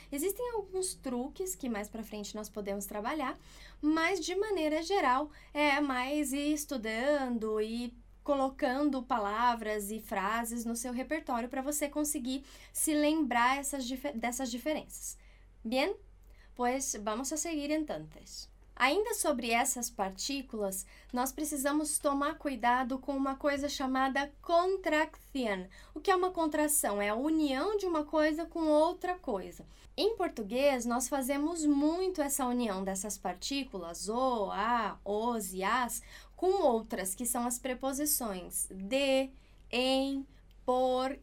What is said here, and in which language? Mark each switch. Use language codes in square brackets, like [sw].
[pt] Existem alguns truques que mais pra frente nós podemos trabalhar, mas de maneira geral, é mais ir estudando e colocando palavras e frases no seu repertório para você conseguir se lembrar dessas diferenças. [es] Bien? Pues vamos a seguir entonces. [pt] Ainda sobre essas partículas, nós precisamos tomar cuidado com uma coisa chamada contracción. O que é uma contração? É a união de uma coisa com outra coisa. Em português, nós fazemos muito essa união dessas partículas, o, a, os e as, com outras, que são as preposições de, em, por.